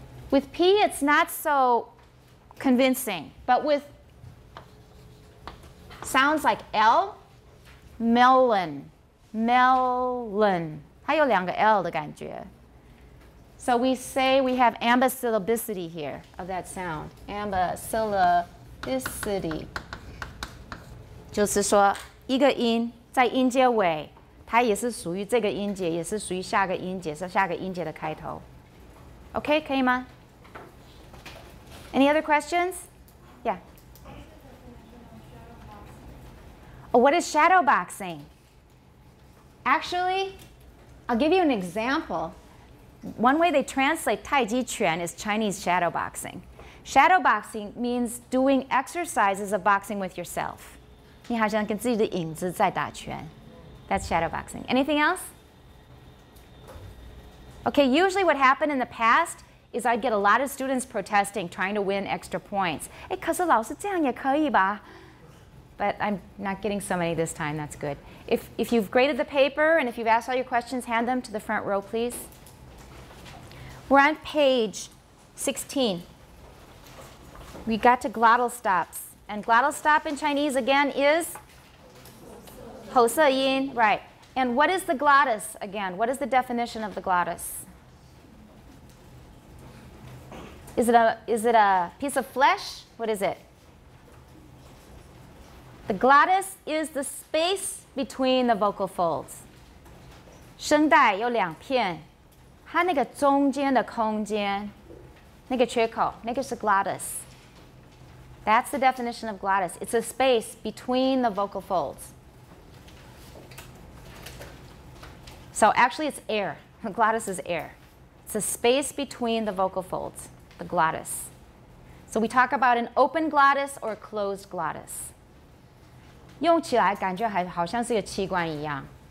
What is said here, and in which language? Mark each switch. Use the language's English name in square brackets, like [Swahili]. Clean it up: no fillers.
[English] With p, it's not so convincing, but with sounds like l, melon, [Chinese] 它有两个 l 的感觉。 [English] So we say we have ambisyllabicity here of that sound. Ambisyllabicity. [Chinese] 就是说一个音在音节尾它也是属于这个音节也是属于下个音节是下个音节的开头。 [English] OK, [Chinese] 可以吗 [English] Any other questions? Yeah. Oh, what is shadow boxing? Actually, I'll give you an example. One way they translate Tai Chi Quan is Chinese shadow boxing. Shadow boxing means doing exercises of boxing with yourself. [Chinese] 你好像跟自己的影子在打拳。 [English] That's shadow boxing. Anything else? Okay, usually what happened in the past is I'd get a lot of students protesting, trying to win extra points. [Chinese] 哎，可是老师这样也可以吧？ [English] But I'm not getting so many this time, that's good. If you've graded the paper and if you've asked all your questions, hand them to the front row, please. We're on page 16. We got to glottal stops. And glottal stop in Chinese again is? Ho se yin, right. And what is the glottis again? What is the definition of the glottis? Is it a piece of flesh? What is it? The glottis is the space between the vocal folds. [Chinese] 声带有两片。它那个中间的空间，那个缺口，那个是 glottis. [English] That's the definition of glottis. It's a space between the vocal folds. So actually it's air. The glottis is air. It's a space between the vocal folds, the glottis. So we talk about an open glottis or a closed glottis. [Chinese] 用起来感觉还好像是一个器官一样。